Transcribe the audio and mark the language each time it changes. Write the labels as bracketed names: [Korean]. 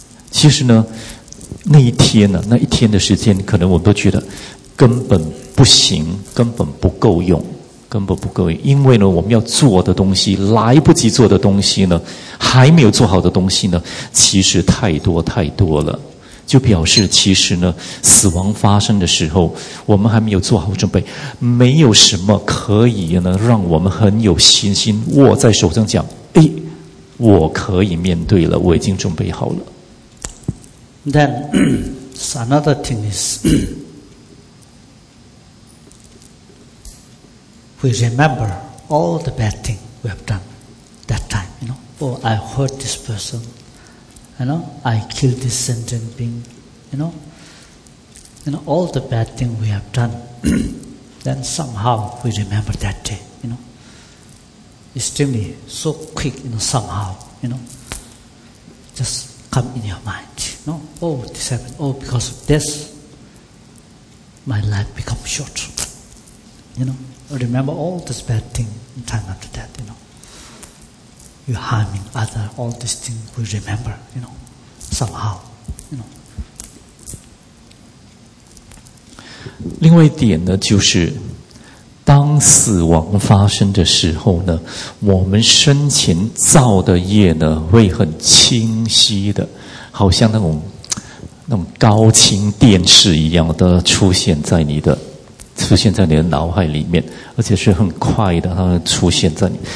[Chinese] 其实呢，那一天呢，那一天的时间，可能我们都觉得根本不行，根本不够用，根本不够用，因为呢，我们要做的东西，来不及做的东西呢，还没有做好的东西呢，其实太多太多了。就表示其实呢，死亡发生的时候，我们还没有做好准备，没有什么可以呢让我们很有信心握在手上讲，哎，我可以面对了，我已经准备好了。 [English] Then another thing is, we remember all the bad thing we have done that time. You know, oh, I hurt this person. You know, I killed this sentient being, you know, all the bad things we have done, then somehow we remember that day, you know. Extremely, so quick, you know, somehow, you know, just come in your mind, you know, oh, this happened, oh, because of this, my life becomes short, you know. Remember all these bad things in time after that, you know. You harming other, all these things we remember, you know. Somehow, you know. [Chinese] 另外一点呢，就是当死亡发生的时候呢，我们生前造的业呢，会很清晰的，好像那种高清电视一样的出现在你的脑海里面，而且是很快的，它出现在你。